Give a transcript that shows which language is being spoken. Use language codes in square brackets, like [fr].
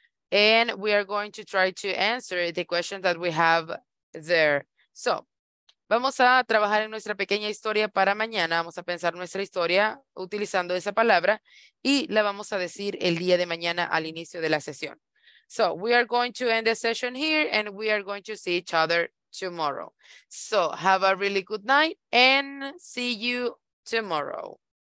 [en] And we are going to try to answer the questions that we have there. [es] So, vamos a trabajar en nuestra pequeña historia para mañana. Vamos a pensar nuestra historia utilizando esa palabra y la vamos a decir el día de mañana al inicio de la sesión. [en] So, we are going to end the session here and we are going to see each other tomorrow. So, have a really good night and see you tomorrow.